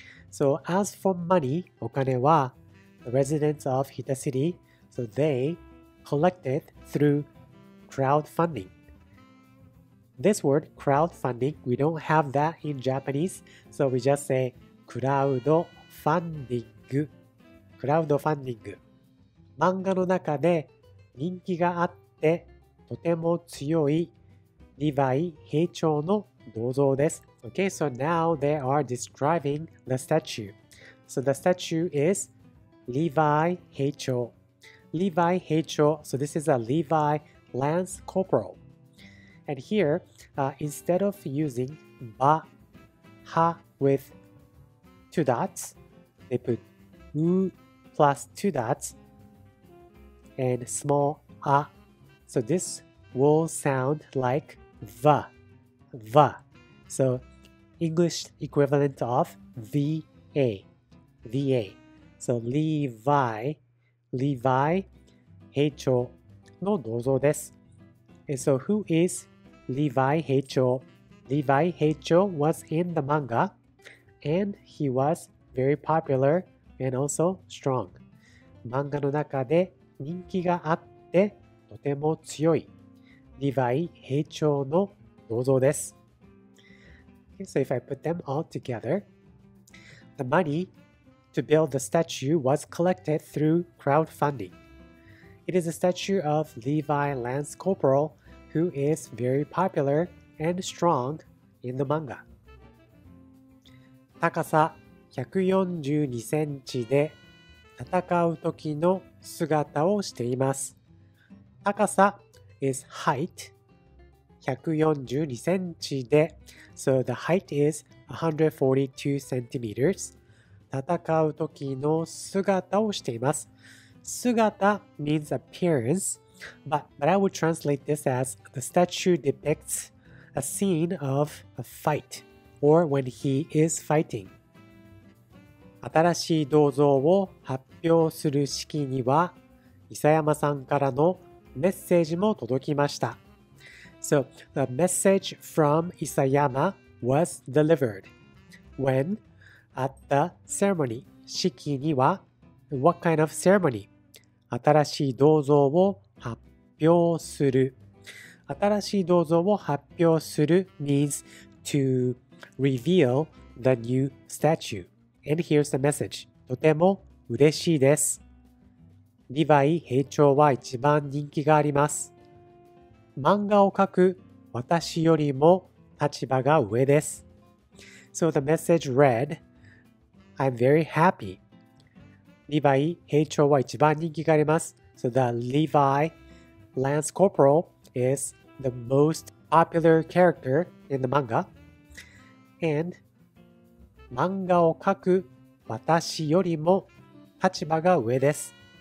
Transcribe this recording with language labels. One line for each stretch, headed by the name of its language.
English: So as for money,
Japanese: お金は
English: the residents of Hita City, so they collected through crowdfunding. This word, crowdfunding, we don't have that in Japanese, so we just say,クラウドファンディング。
Japanese: クラウドファンディング。漫画の中で人気があってとても強いディヴァイ兵長の銅像です。
English: Okay, so now they are describing the statue. So the statue is Levi 兵長。 Levi 兵長。So this is a Levi Lance Corporal. And here,instead of using ba, ha withTwo dots, they put U plus two dots and small A. So this will sound like the, the. So English equivalent of VA, VA.
Japanese: So Levi, Levi, 兵長の銅像です。
English: And so who is Levi 兵長?Levi 兵長 was in the manga. And he was very popular and also strong.
Japanese: 漫画の中で人気があってとても強いディヴァイ兵長の銅像です。
English: Okay, so if I put them all together, the money to build the statue was collected through crowdfunding. It is a statue of Levi Lance Corporal who is very popular and strong in the manga.
Japanese: 高さ142センチで戦う時の姿をしています。高さ
English: is height
Japanese: 142センチで
English: So the height is 142 centimeters.
Japanese: 戦う時の姿をしています。
English: 姿 means appearance, but I would translate this as the statue depicts a scene of a fight. Or when he is fighting.
Japanese: 新しい銅像を発表する式には伊佐山さんからのメッセージも届きました。
English: So the message from 伊佐山 was delivered. When? At the ceremony.
Japanese: 式には
English: What kind of ceremony?
Japanese: 新しい銅像を発表する。新しい銅像を発表する
English: means toReveal the new statue. And here's the message.
Japanese: とても嬉しいです。リヴァイ兵長は一番人気があります。漫画を描く私よりも立場が上です。
English: So the message read, I'm very happy.
Japanese: リヴァイ兵長は一番人気があります。
English: So the Levi Lance Corporal is the most popular character in the manga.
Japanese: And 漫画を描く私よりも立場が上です。